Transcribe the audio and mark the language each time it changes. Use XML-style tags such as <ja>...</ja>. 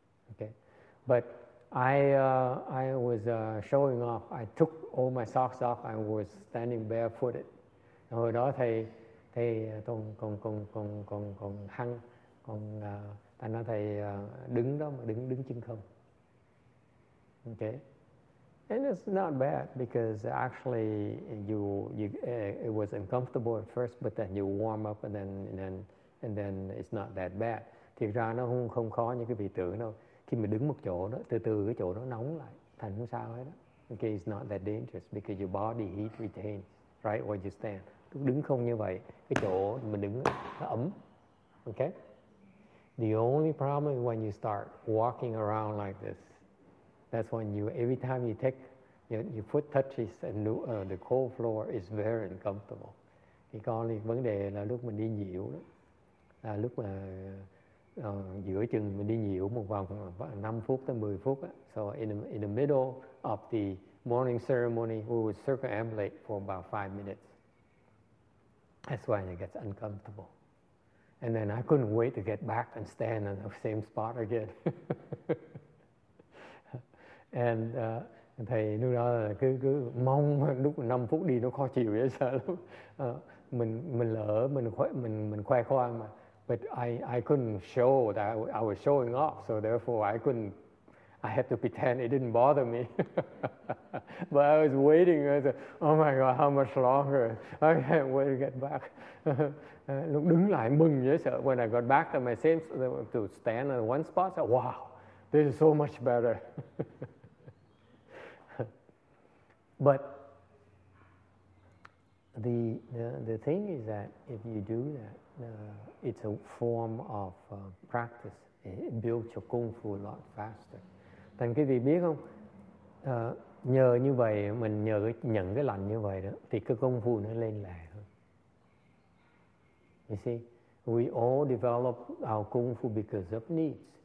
<en>Okay, but I was showing off. I took all my socks off. I was standing barefooted.</en> <vi>Hồi đó thầy còn hăng, còn anh nói thầy đứng đó mà đứng chân không.</vi> <en>Okay, and it's not bad because actually it was uncomfortable at first, but then you warm up and then it's not that bad.</en> <vi>Thiệt ra nó không khó như cái vị tưởng đâu. Khi mà đứng một chỗ đó, từ từ cái chỗ đó nóng lại, thành không sao hết đó.</vi> <en>Okay, it's not that dangerous because your body heat retains right where you stand.</en> <vi>Lúc đứng không như vậy, cái chỗ mình đứng nó ấm. Okay.</vi> <en>The only problem is when you start walking around like this. That's when you, every time you take, your foot touches and the cold floor is very uncomfortable.</en> <vi>Thì còn thì vấn đề là lúc mình đi nhiều đó, là lúc mà giữa chừng mình đi nhiều một vòng 5 phút tới 10 phút.</vi> <en>So in the middle of the morning ceremony, we would circumambulate for about 5 minutes. That's when it gets uncomfortable. And then I couldn't wait to get back and stand in the same spot again.</en> <vi>And thầy lúc đó là cứ mong lúc 5 phút đi nó khó chịu vậy sao lắm. Mình lỡ mình khoe khoang mà.</vi> <en>But I couldn't show that I was showing off, so therefore I had to pretend it didn't bother me. But I was waiting. I said, oh my God, how much longer? I can't wait to get back.</en> <vi>Lúc đứng lại mừng vậy sợ.</vi> <en>When I got back to my same, to stand on one spot, I said, wow, this is so much better. But the thing is that if you do that, it's a form of practice. It builds your kung fu a lot faster.</en> <vi>Thành quý vị biết không? Nhờ như vậy, mình nhờ nhận cái lành như vậy đó, thì cái kung fu nó lên lẹ hơn.</vi> <en>You see, we all develop our kung fu because of needs.</en>